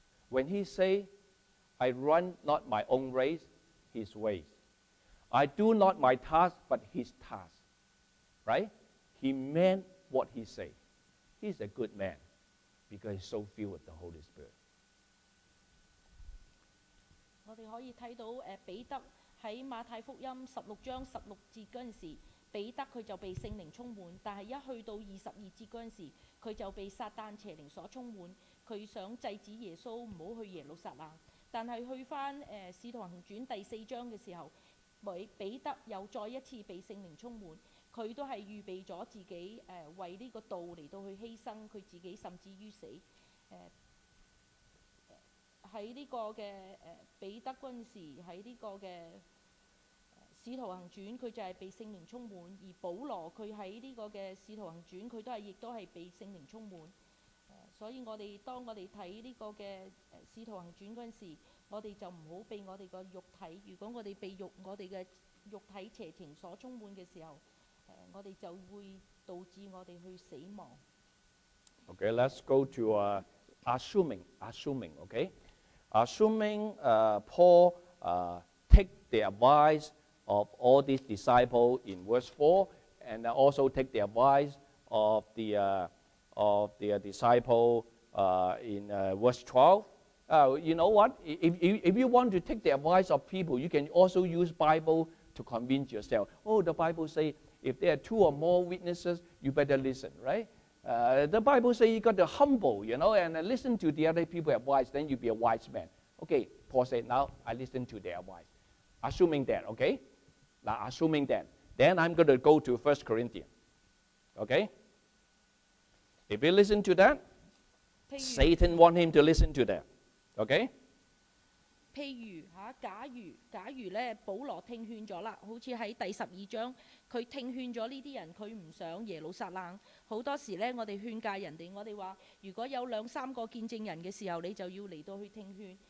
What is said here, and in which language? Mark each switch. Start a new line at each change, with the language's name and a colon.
English: When he say, I run not my own race, his ways. I do not my task, but his task. Right? He meant what he say. He's a good man because he's so filled with the Holy Spirit.
Chinese: 我们可以看到彼得在马太福音16章16节的时候，彼得他就被圣灵充满，但是一去到22节的时候，他就被撒旦邪灵所充满，他想制止耶稣不要去耶路撒冷。但是去回使徒行传第4章的时候，彼得又再一次被圣灵充满，他都是预备了自己为这个道来到去牺牲他自己，甚至于死。在这个的彼得军事，在这个的使徒行传，他就是被圣灵充满，而保罗他在这个的使徒行传，他都是亦都是被圣灵充满。所以我们当我们看这个的使徒行传的时候，我们就不要被我们的肉体，如果我们被我们的肉体邪情所充满的时候，我们就会导致我们去死亡。
English: Okay, let's go to assuming, okay? Assuming Paul take the advice of all these disciples in verse 4, and also take the advice of the disciple in verse 12. You know what? If you want to take the advice of people, you can also use Bible to convince yourself. Oh, the Bible say if there are two or more witnesses, you better listen, right? The Bible say you got to humble, you know, and listen to the other people's advice, then you'll be a wise man. Okay, Paul said, now I listen to their advice. Assuming that, okay? Now, assuming that, then I'm going to go to 1 Corinthians. Okay? If you listen to that, Satan wants him to listen to that. Okay?
Chinese: 譬如假如呢，保罗听劝了，好像在第12章，他听劝了这些人，他不想耶路撒冷。很多时候呢，我们劝诫人家，我们说如果有两三个见证人的时候，你就要来到去听劝。